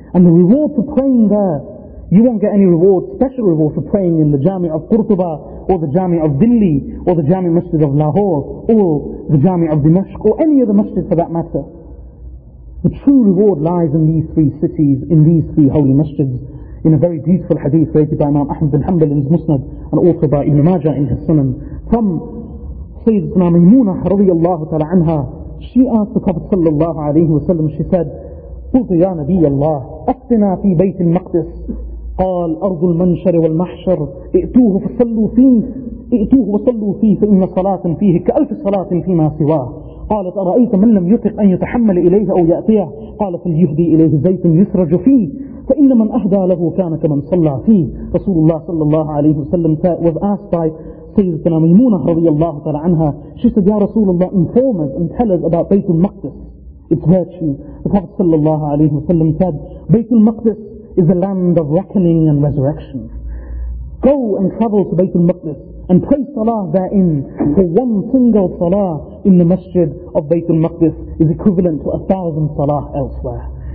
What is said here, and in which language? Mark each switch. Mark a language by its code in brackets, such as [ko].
[en] And the reward for praying there, you won't get any reward, special reward for praying in the Jami of Qurtuba, or the Jami of Delhi, or the Jami Masjid of Lahore, or the Jami of Dimashq, or any other masjid for that matter. The true reward lies in these three cities, in these three holy masjids. In a very beautiful hadith related by Imam Ahmad bin Hanbal in his Musnad, and also by Ibn Majah in his Sunan, from Sayyidina Maymunah radiallahu ta'ala anha, she asked the Prophet sallallahu alayhi wa sallam, she said, [ar] قلت يا نبي الله أفتنا في بيت المقدس قال أرض المنشر والمحشر ائتوه فصلوا فيه ائتوه وصلوا فيه فإن صلاة فيه كألف صلاة فيما سواه قالت أرأيت من لم يطق أن يتحمل إليه أو يأتيه قال فليهدي إليه زيت يسرج فيه فإن من أهدى له كان كمن صلى فيه. رسول الله صلى الله عليه وسلم [en] was asked by Sayyidatina Maymuna [ar] رضي الله تعالى عنها. [en] She said, Ya Rasulullah, inform us and tell us about Baytul Maqdis, its virtue. The Prophet صلى الله عليه وسلم said, Baytul Maqdis is a land of reckoning and resurrection. Go and travel to Baytul Maqdis and pray salah therein, for one single salah in the masjid of Baytul Maqdis is equivalent to 1,000 salah elsewhere.